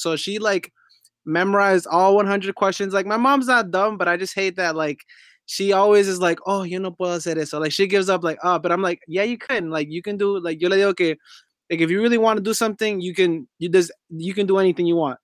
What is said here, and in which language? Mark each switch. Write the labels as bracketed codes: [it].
[en] So she, like, memorized all 100 questions. Like, my mom's not dumb, but I just hate that, like, she always is like, oh, [es] yo no puedo hacer eso. [en] Like, she gives up, like, oh, but I'm like, yeah, you can. Like, you can do, like, [es] yo le digo que, [en] like, if you really want to do something, you can, you can do anything you want.